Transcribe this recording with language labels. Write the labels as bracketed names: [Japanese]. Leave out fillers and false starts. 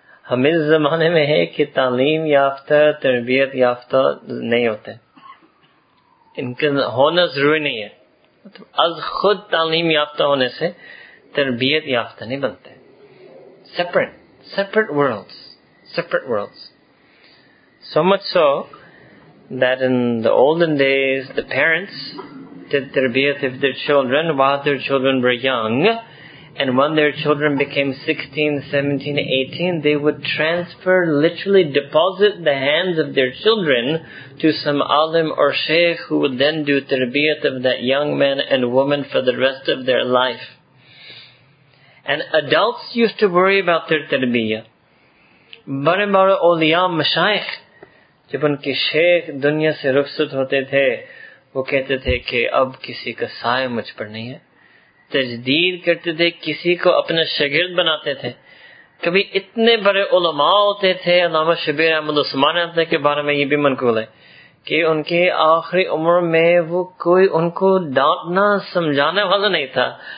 [Urdu] ہم اس زمانے میں ہیں کہ تعلیم یافتہ تربیت یافتہ نہیں ہوتے. ان کا ہونا ضروری نہیں ہے. از خود تعلیم یافتہ ہونے سے تربیت یافتہ نہیں بنتے. [English] Separate worlds. So much so that in the olden days, the parents did tarbiyat of their children while their children were young. And when their children became 16, 17, 18, they would transfer, literally deposit the hands of their children to some alim or sheikh who would then do tarbiyat of that young man and woman for the rest of their life. And adults used to worry about their tarbiyah. [Urdu] بڑے بڑے اولیاء مشائخ جب ان کے شیخ دنیا سے رخصت ہوتے تھے وہ کہتے تھے کہ اب کسی کا سایہ مجھ پر نہیں ہے. تجدید کرتے تھے, کسی کو اپنا شاگرد بناتے تھے. کبھی اتنے بڑے علماء ہوتے تھے, علامہ شبیر احمد عثمان کے بارے میں یہ بھی منقول ہے کہ ان کے آخری عمر میں وہ کوئی ان کو ڈانٹنا سمجھانے والا نہیں تھا.